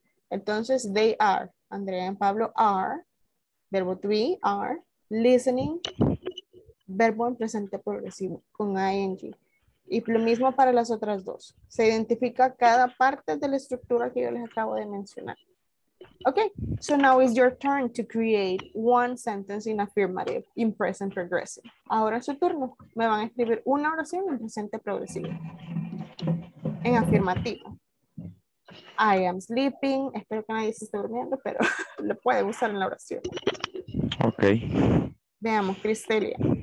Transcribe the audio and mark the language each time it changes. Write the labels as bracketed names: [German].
[English] Entonces, they are. Andrea y Pablo are. Verbo to be, are. [Spanish] Listening, verbo en presente progresivo, con ing. Y lo mismo para las otras dos. Se identifica cada parte de la estructura que yo les acabo de mencionar. [English] Okay, so now it's your turn to create one sentence in affirmative, in present progressive. [Spanish] Ahora es su turno. Me van a escribir una oración en presente progresivo. En afirmativo. [English] I am sleeping. [Spanish] Espero que nadie se esté durmiendo, pero lo pueden usar en la oración. [English] Okay. [Spanish] Veamos, Cristelia.